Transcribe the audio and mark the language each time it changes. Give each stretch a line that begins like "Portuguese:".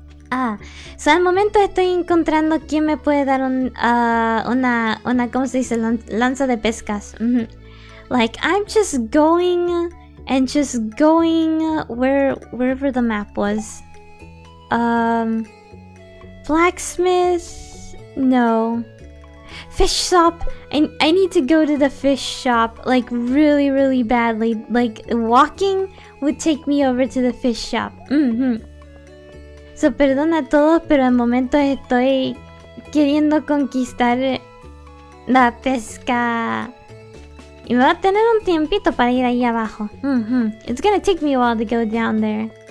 Spanish: Ah, so al momento estoy encontrando quién me puede dar un, una, ¿cómo se dice? Lanza de pescas.
English: Like, I'm just going and just going wherever the map was. Blacksmith? No. Fish shop? I need to go to the fish shop, like, really, really badly. Like, walking would take me over to the fish shop.
Spanish: So, perdona a todos, pero al momento estoy queriendo conquistar la pesca. Y me va a tener un tiempito para ir ahí abajo.
English: It's gonna take me a while to go down there.